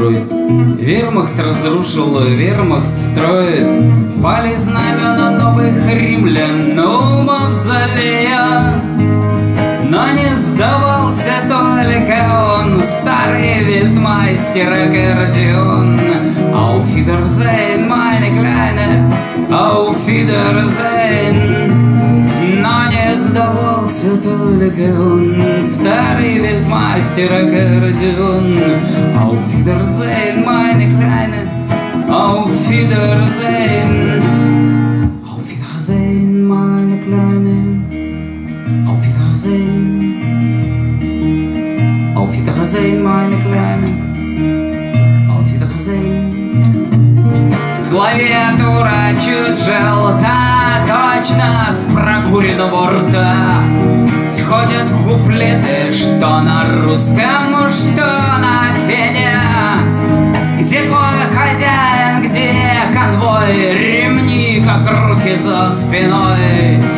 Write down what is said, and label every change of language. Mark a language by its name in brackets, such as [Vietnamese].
[Russian] Вермахт разрушил, вермахт строит. Пали знамена новых римлян у мавзолея. Но не сдавался только он, старый вельдмайстер Аккордеон. [German] Auf Wiedersehen, meine Kleine, auf Wiedersehen. [Russian] Но не сдавался только он, старый вельдмайстер Аккордеон. [German] Auf Wiedersehen, meine Kleine, auf Wiedersehen. Auf Wiedersehen, meine Kleine, auf Wiedersehen. Auf Wiedersehen, meine Kleine, auf Wiedersehen. [Russian] Клавиатура чуть желта, точно с прокуренного рта. Сходят куплеты, что на русском, что на фене. Где твой хозяин, где конвой? Ремни, как руки за спиной.